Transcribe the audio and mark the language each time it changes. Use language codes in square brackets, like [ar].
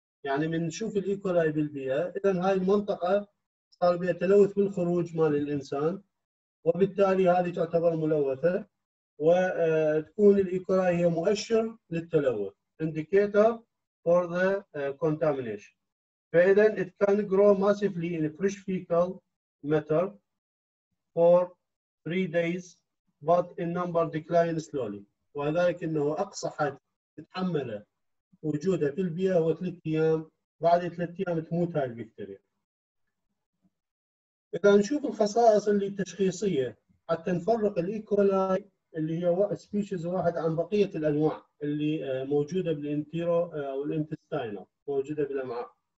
[ar] يعني من نشوف الايكولاي بالبيئه اذا هاي المنطقه صار بيها تلوث بالخروج مال الانسان، وبالتالي هذه تعتبر ملوثه وتكون الايكولاي هي مؤشر للتلوث [en] indicator for the contamination. [ar] فاذا [en] it can grow massively in fresh fecal matter for 3 days but in number decline slowly. [ar] وذلك انه اقصى حد تتحمله وجوده في البيئه هو 3 ايام، بعد 3 ايام تموت هاي البكتيريا. اذا نشوف الخصائص اللي التشخيصيه حتى نفرق الايكولاي اللي هي سبيشيز واحد عن بقيه الانواع اللي موجوده بالانتيرو او الانتستاينال موجوده بالامعاء.